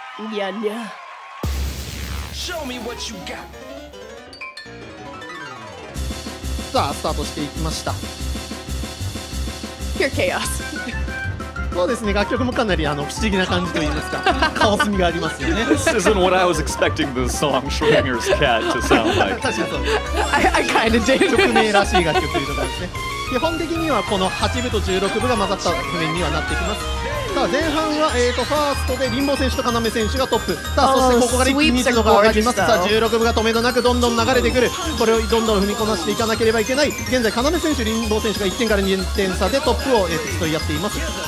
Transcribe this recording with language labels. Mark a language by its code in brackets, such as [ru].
[ja] にゃにゃ。さあスタートしていきました。 [en] Pure chaos。 [ja] そうですね、楽曲もかなりあの不思議な感じといいますかカオスみがありますよね。 [en] This isn't what I was expecting the song Schrodinger's Cat to sound like. [ja] 確か [en] に I kind of did. [ja] 曲名らしい楽曲というところですね。基本的にはこの8部と16部が混ざった譜面にはなってきます。さあ前半は、ファーストでリンボ選手と要選手がトップ。さあそしてここから一気に水の方がきます。さあ16分が止めどなくどんどん流れてくる。これをどんどん踏みこなしていかなければいけない。現在要選手リンボ選手が1点から2点差でトップを競い合っています。